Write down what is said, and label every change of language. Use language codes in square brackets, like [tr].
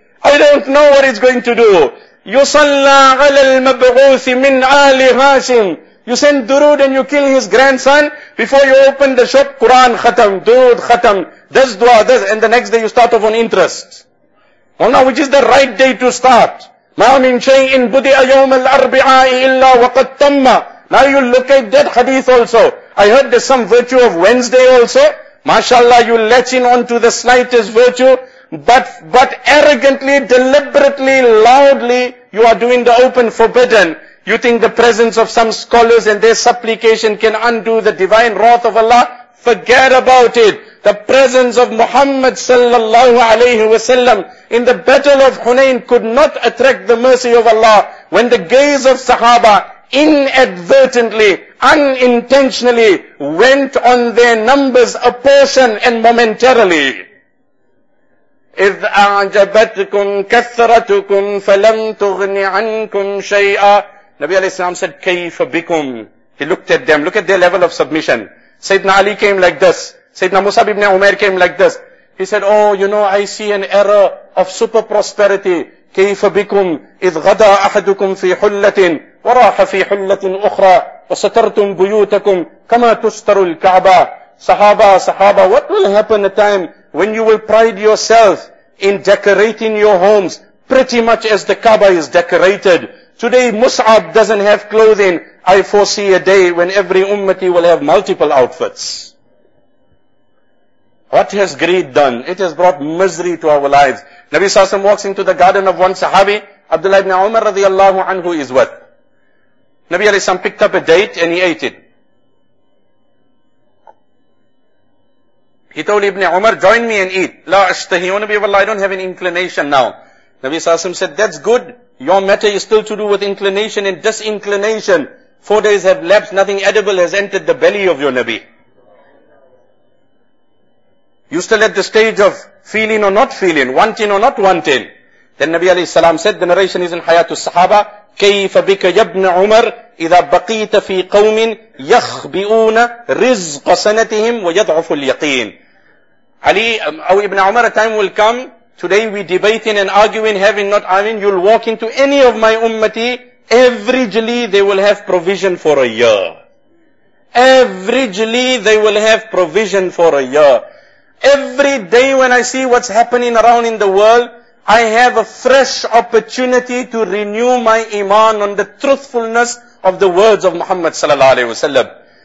[en] I don't know what it's going to do. [ar] Yusalla ala al-mab'uthi min ali hashim. [en] You send durood and you kill his grandson. Before you open the shop, Quran khatam, durood khatam, this dua, this, and the next day you start off on interest. Well now, which is the right day to start? [ar] مَا مِنْ شَيْءٍ بُدِئَ يَوْمَ الْأَرْبِعَاءِ إِلَّا وَقَدْ تَمَّ [en] Now you look at that hadith also. I heard there's some virtue of Wednesday also. MashaAllah, you latch in on to the slightest virtue. But arrogantly, deliberately, loudly, you are doing the open forbidden. You think the presence of some scholars and their supplication can undo the divine wrath of Allah? Forget about it. The presence of Muhammad sallallahu alayhi wa sallam in the battle of Hunain could not attract the mercy of Allah when the gaze of Sahaba inadvertently, unintentionally went on their numbers a portion and momentarily. [ar] إِذْ أَعْجَبَتْكُمْ كَثْرَتُكُمْ فَلَمْ تُغْنِ عَنْكُمْ شَيْئًا [en] Nabi alayhi salam said, [ar] كَيْفَ بِكُمْ [en] He looked at them. Look at their level of submission. Sayyidina Ali came like this. Sayyidina Mus'ab ibn Umair came like this. He said, oh, you know, I see an era of super prosperity. [ar] كَيْفَ بِكُمْ إِذْ غَدَى أَحَدُكُمْ فِي حُلَّةٍ وَرَاحَ فِي حُلَّةٍ أُخْرَى وسترتم بيوتكم كما تستر الكعبة. [en] Sahaba, Sahaba, what will happen a time when you will pride yourself in decorating your homes pretty much as the Kaaba is decorated? Today Mus'ab doesn't have clothing. I foresee a day when every ummati will have multiple outfits. What has greed done? It has brought misery to our lives. Nabi Sassam walks into the garden of one Sahabi. Abdullah ibn Umar radiallahu anhu is what? Nabi Sassam picked up a date and he ate it. He told Ibn Umar, join me and eat. [ar] La ashtahi, [en] O Nabi of Allah, I don't have an inclination now. Nabi Sassam said, that's good. Your matter is still to do with inclination and disinclination. 4 days have lapsed, nothing edible has entered the belly of your Nabi. You still at the stage of feeling or not feeling, wanting or not wanting. Then Nabi alayhi salam said, the narration is in Hayat al-Sahaba, [ar] كَيْفَ بِكَ يَبْنَ عُمَرْ إِذَا بَقِيتَ فِي قَوْمٍ يَخْبِئُونَ رِزْقَ سَنَتِهِمْ وَيَضْعُفُ الْيَقِينَ. [en] Ali, or Ibn Umar, a time will come, today we debating and arguing, having not arguing, you'll walk into any of my ummati, averagely they will have provision for a year. Averagely they will have provision for a year. Every day when I see what's happening around in the world, I have a fresh opportunity to renew my iman on the truthfulness of the words of Muhammad sallallahu alaihi wasallam.